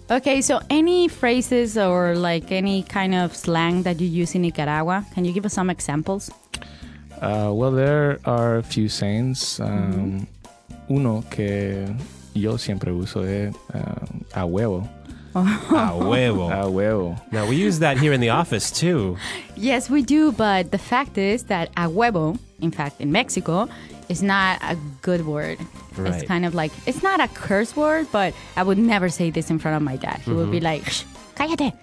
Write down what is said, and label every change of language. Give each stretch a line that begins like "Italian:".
English: Okay, so any phrases or like any kind of slang that you use in Nicaragua, can you give us some examples? Well, there are a few sayings. Mm-hmm.
Spanish: Uno que yo siempre uso es a huevo. A huevo. A huevo.
English: Now, we use that here in the office, too. Yes, we do. But the fact is that a huevo, in fact, in Mexico, is not a good word. Right. It's kind of like, it's not a curse word, but I would never say this in front of my dad. He mm-hmm. would be like, cállate.